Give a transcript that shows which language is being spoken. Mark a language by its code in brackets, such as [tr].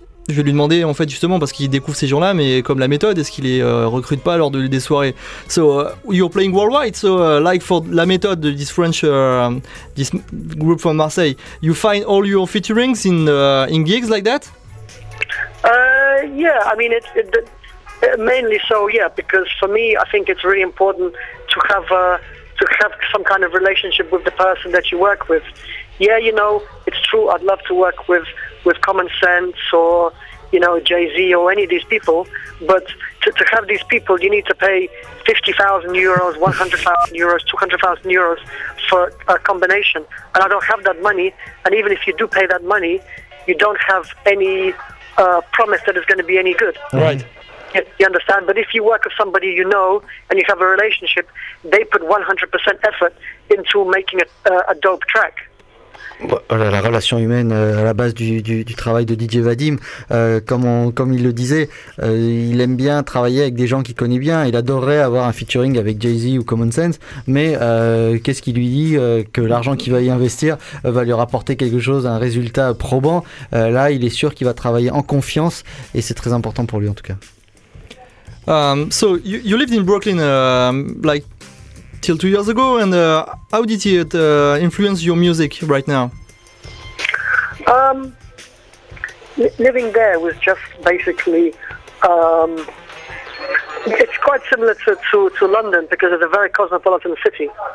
[fr] Je vais lui demander en fait justement parce qu'il découvre ces gens-là, mais comme la méthode, est-ce qu'il les recrute pas lors des soirées? [en] So you're playing worldwide, so like for la méthode de this French this group from Marseille, you find all your featurings in gigs like that? Yeah, I mean mainly so, yeah, because for me, I think it's really important to have some kind of relationship with the person that you work with. Yeah, you know, it's true, I'd love to work with Common Sense or, you know, Jay-Z or any of these people, but to have these people, you need to pay 50,000 euros, 100,000 euros, 200,000 euros for a combination. And I don't have that money, and even if you do pay that money, you don't have any promise that it's going to be any good. Right. You understand? But if you work with somebody you know and you have a relationship, they put 100% effort into making a dope track. [fr] La relation humaine à la base du travail de DJ Vadim, comme il le disait, il aime bien travailler avec des gens qu'il connaît bien. Il adorerait avoir un featuring avec Jay-Z ou Common Sense, mais qu'est-ce qui lui dit que l'argent qu'il va y investir va lui rapporter quelque chose, un résultat probant? Là, il est sûr qu'il va travailler en confiance, et c'est très important pour lui en tout cas. [en] So you lived in Brooklyn like till 2 years ago, and how did it influence your music right now? Living there was just basically, it's quite similar to London because it's a very cosmopolitan city,